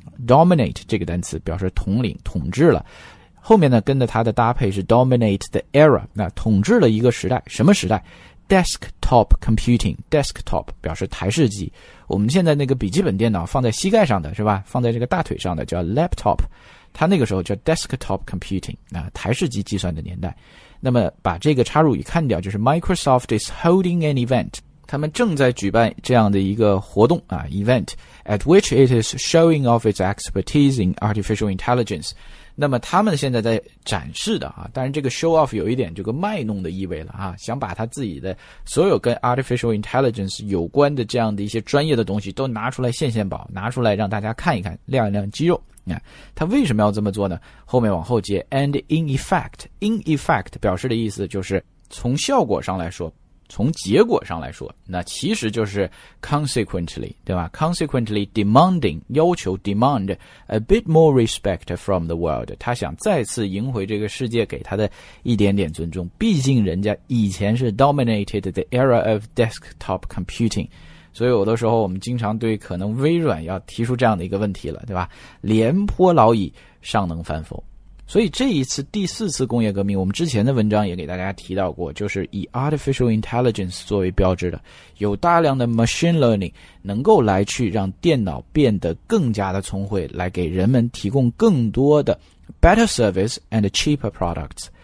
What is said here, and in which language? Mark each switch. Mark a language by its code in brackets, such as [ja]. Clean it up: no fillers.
[zh] Dominate 这个单词表示统领统治了，后面呢跟着它的搭配是 dominate the era, 那统治了一个时代，什么时代？ Desktop computing, desktop 表示台式机，我们现在那个笔记本电脑放在膝盖上的是吧，放在这个大腿上的叫 laptop, 它那个时候叫 desktop computing, 啊，台式机计算的年代。那么把这个插入语看掉，就是 [en] Microsoft is holding an event, [zh] 他们正在举办这样的一个活动啊 event, [en] at which it is showing off its expertise in artificial intelligence. [zh] 那么他们现在在展示的啊，当然这个 show off 有一点这个卖弄的意味了啊，想把他自己的所有跟 artificial intelligence 有关的这样的一些专业的东西都拿出来献献宝，拿出来让大家看一看，亮一亮肌肉。你看他为什么要这么做呢？后面往后接 and in effect, in effect 表示的意思就是从效果上来说，从结果上来说，那其实就是 consequently, 对吧？ consequently demanding, 要求 [en] demand a bit more respect from the world, [zh] 他想再次赢回这个世界给他的一点点尊重，毕竟人家以前是 [en] dominated the era of desktop computing。 [zh] 所以有的时候我们经常对可能微软要提出这样的一个问题了，对吧？廉颇老矣，尚能反否。所以这一次第四次工业革命，我们之前的文章也给大家提到过，就是以 artificial intelligence 作为标志的，有大量的 machine learning 能够来去让电脑变得更加的聪慧，来给人们提供更多的 [en] better service and cheaper products。